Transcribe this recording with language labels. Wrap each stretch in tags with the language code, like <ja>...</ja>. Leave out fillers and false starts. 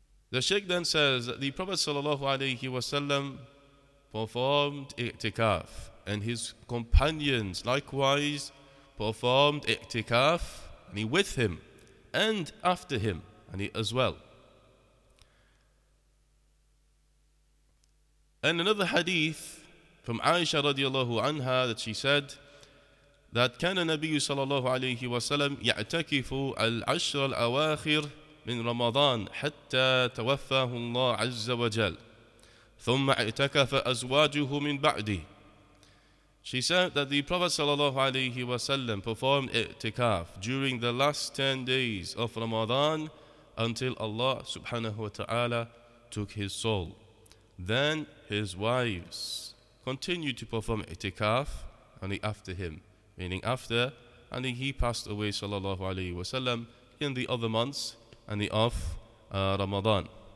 <en>The Sheikh then says that the Prophet sallallahu alayhi wa sallam performed i'tikaf, and his companions likewise performed i'tikaf with him and after him as well. And another hadith from Aisha radiallahu anha, that she said that</en> <ar>كان النبي صلى الله عليه وسلم يعتكف العشر الأواخر من رمضان حتى توفاه الله عز وجل ثم اعتكف أزواجه من بعده.</ar> <en>She said that the Prophet sallallahu alayhi wa sallam performed i'tikaf during the last 10 days of Ramadan until Allah subhanahu wa ta'ala took his soul. Then his wives continued to perform i'tikaf after him, meaning after he passed away sallallahu alayhi wa sallam in the other months of Ramadan.</en>